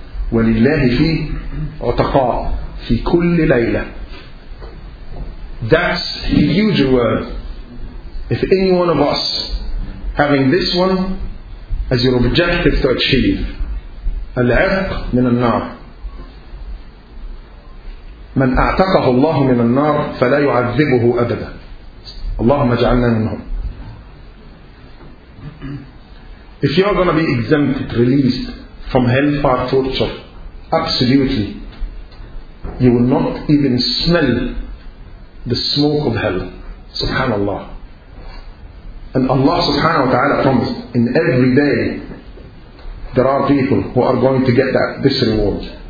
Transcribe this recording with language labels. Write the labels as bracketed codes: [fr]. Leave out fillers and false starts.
[ar] وَلِلَّهِ فِي عُتَقَاءٌ فِي كُلِّ لَيْلَةٍ, [en] That's a huge word. If any one of us having this one as your objective to achieve, [ar] العرق من النار. من أعتقه الله من النار فلا يعذبه أبدا. اللهم اجعلنا منهم. [en] If you are going to be exempted, released from hellfire torture, absolutely, you will not even smell the smoke of hell. Subhanallah. And Allah subhanahu wa ta'ala promised, in every day, there are people who are going to get that, this reward.